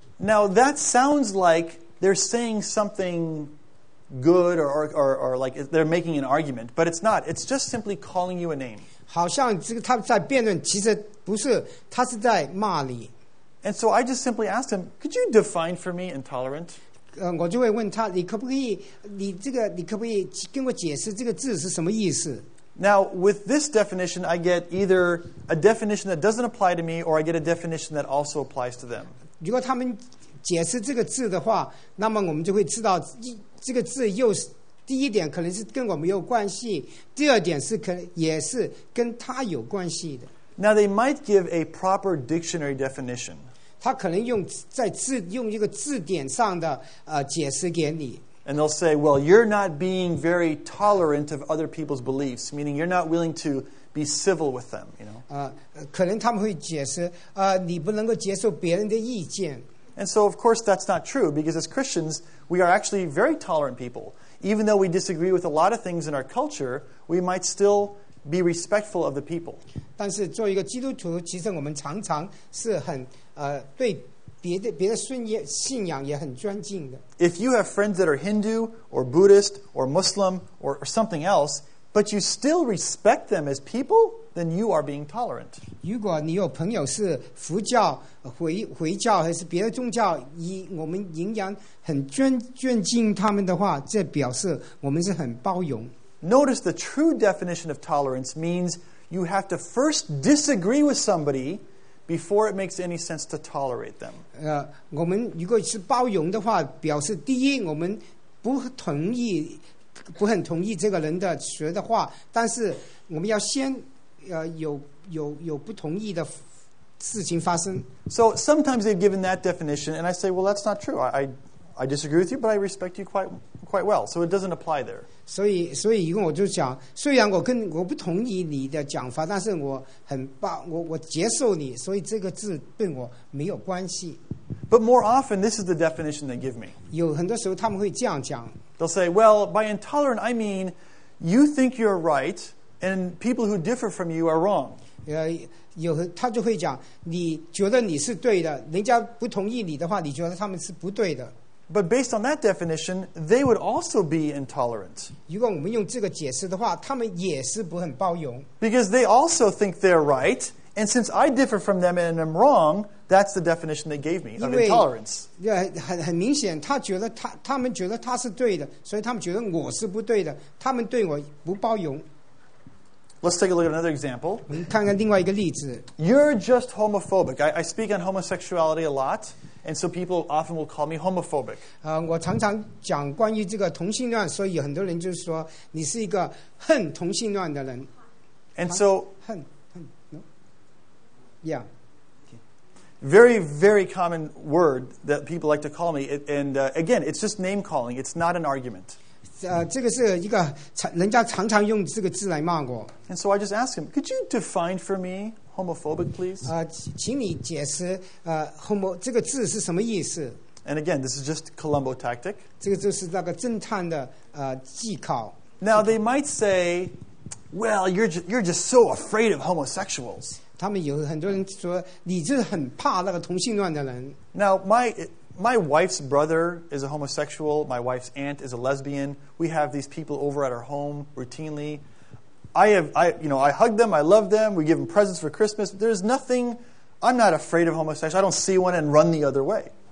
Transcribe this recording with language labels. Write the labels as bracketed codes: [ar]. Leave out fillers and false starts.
[en] Now that sounds like they're saying something good or like they're making an argument, but it's not. It's just simply calling you a name. [zh] 好像这个他在辩论，其实不是，他是在骂你。 [en] And so I just simply asked him, could you define for me intolerant? [zh] 我就会问他，你可不可以，你这个，你可不可以跟我解释这个字是什么意思？ [en] Now, with this definition, I get either a definition that doesn't apply to me, or I get a definition that also applies to them. [zh] 如果他们解释这个字的话，那么我们就会知道，这个字又是，第一点可能是跟我没有关系，第二点是可能也是跟他有关系的。 [en] Now they might give a proper dictionary definition. [zh] 他可能用在字用一个字典上的解释给你。 [en] And they'll say, "Well, you're not being very tolerant of other people's beliefs, meaning you're not willing to be civil with them." You know. [zh] 可能他们会解释你不能够接受别人的意见。 [en] And so, of course, that's not true because as Christians, we are actually very tolerant people. Even though we disagree with a lot of things in our culture, we might still be respectful of the people. [zh] 但是作为一个基督徒，其实我们常常是很对别的信仰也很尊敬的。 [en] If you have friends that are Hindu or Buddhist or Muslim or something else, but you still respect them as people, then you are being tolerant. [zh] 如果你有朋友是佛教、回教还是别的宗教，我们仍然很尊敬他们的话，这表示我们是很包容。 [en] Notice the true definition of tolerance means you have to first disagree with somebody before it makes any sense to tolerate them. [zh] 我们如果是包容的话，表示第一，我们不很同意这个人的说的话，但是我们要先有不同意的事情发生。 [en] So sometimes they've given that definition, and I say, well, that's not true. I disagree with you, but I respect you quite well. So it doesn't apply there. [zh] 所以一个我就讲，虽然我不同意你的讲法，但是我很棒，我接受你，所以这个字对我没有关系。 [en] But more often, this is the definition they give me. [zh] 有很多时候他们会这样讲。 [en] They'll say, well, by intolerant, I mean you think you're right, and people who differ from you are wrong. [zh] 有他就会讲，你觉得你是对的，人家不同意你的话，你觉得他们是不对的。 [en] But based on that definition, they would also be intolerant. [zh] 如果我们用这个解释的话，他们也是不很包容。 [en] Because they also think they're right, and since I differ from them and am wrong, that's the definition they gave me of intolerance. [zh] 因为很明显，他们觉得他是对的，所以他们觉得我是不对的，他们对我不包容。 [en] Let's take a look at another example. [zh] 我们看看另外一个例子。 [en] You're just homophobic. I speak on homosexuality a lot. And so people often will call me homophobic. [zh] 我常常讲关于这个同性恋，所以很多人就是说你是一个恨同性恋的人。 [en] And so, [zh] 恨 [en] no? Yeah. Very, very common word that people like to call me. And again, it's just name calling. It's not an argument. [zh] 这个是一个人家常常用这个字来骂我。 [en] And so I just ask him, could you define for me homophobic, please? [zh] 请你解释 homo 这个字是什么意思。 [en] And again, this is just Columbo tactic. [zh] 这个就是那个侦探的技巧。 [en] Now they might say, well, you're just so afraid of homosexuals. [zh] 他们有很多人说你就是很怕那个同性恋的人。 [en] Now, my wife's brother is a homosexual. My wife's aunt is a lesbian. We have these people over at our home routinely. I hug them. I love them. We give them presents for Christmas. There's nothing. I'm not afraid of homosexuals. I don't see one and run the other way.